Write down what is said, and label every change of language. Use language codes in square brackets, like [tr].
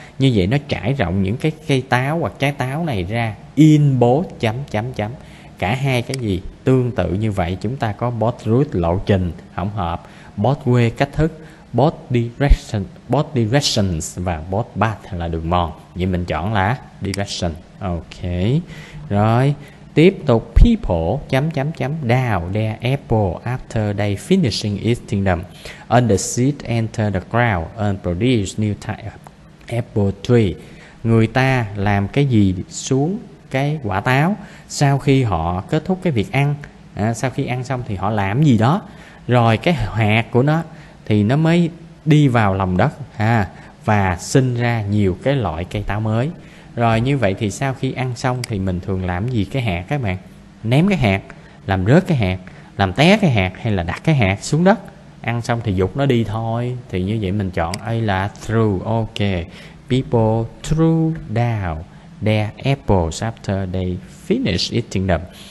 [vi] Như vậy nó trải rộng những cái cây táo hoặc trái táo này ra, [en] in both [vi] chấm chấm chấm. Cả hai cái gì tương tự như vậy, chúng ta có both route lộ trình hỗn hợp, both way cách thức, both direction, both directions và both path là đường mòn. Vậy mình chọn là direction. Ok. [en] Rồi tiếp tục, people [vi] chấm chấm chấm [en] down their apple after they finishing eating them, and the seed enter the ground and produce new type apple tree. [vi] Người ta làm cái gì xuống cái quả táo sau khi họ kết thúc cái việc ăn, sau khi ăn xong thì họ làm gì đó, rồi cái hạt của nó thì nó mới đi vào lòng đất ha, và sinh ra nhiều cái loại cây táo mới. Rồi như vậy thì sau khi ăn xong thì mình thường làm gì cái hạt các bạn? Ném cái hạt, làm rớt cái hạt, làm té cái hạt hay là đặt cái hạt xuống đất? Ăn xong thì dục nó đi thôi. Thì như vậy mình chọn A là threw. Ok. [en] People threw down their apples after they finished eating them.